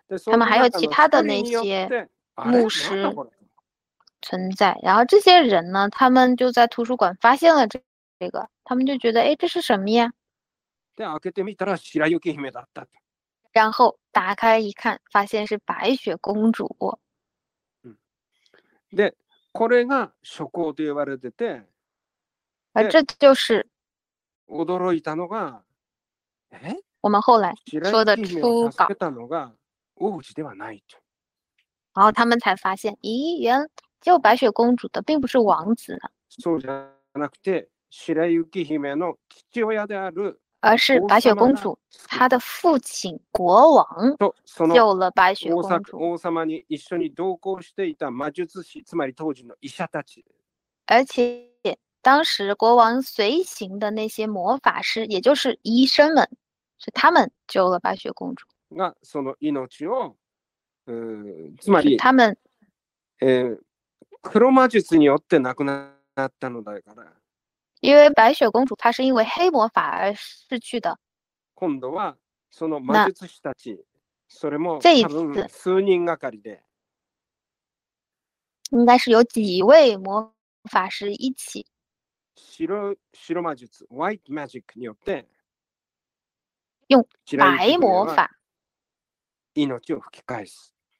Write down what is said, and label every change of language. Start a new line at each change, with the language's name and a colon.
Chinese: 他们还有其他的那些牧师存在。然后这些人呢，他们就在图书馆发现了这个，他们就觉得，哎，这是什么呀？
Japanese: 白雪姫だった。
Chinese: 然后打开一看，发现是白雪公主。嗯，
Japanese: で、これが書稿と呼ばれてて、
Chinese: 而这就是
Japanese: 驚いたのが、
Chinese: 我们后来说的初稿。
Japanese: 助けたのが王子ではないと。
Chinese: 然后他们才发现，咦，原来救白雪公主的并不是王子呢。
Japanese: そうじゃなくて、白雪姫の父親である。
Chinese: 而是白雪公主她的父亲国王救了白雪公主。
Japanese: 王様に一緒に同行していた魔術師、つまり当時の医者たち。
Chinese: 而且当时国王随行的那些魔法师，也就是医生们，是他们救了白雪公主。
Japanese: がその命を、つまり
Chinese: 他们、
Japanese: 黒魔術によって亡くなったのだから。
Chinese: 因为白雪公主她是因为黑魔法而逝去的。
Japanese: 今度はその魔術師たち、それも
Chinese: 多分
Japanese: 数人がかりで。
Chinese: 应该是有几位魔法师一起。
Japanese: 白魔術、
English: White Magic
Japanese: によって、
Chinese: 用白魔法
Japanese: 命を吹き返す。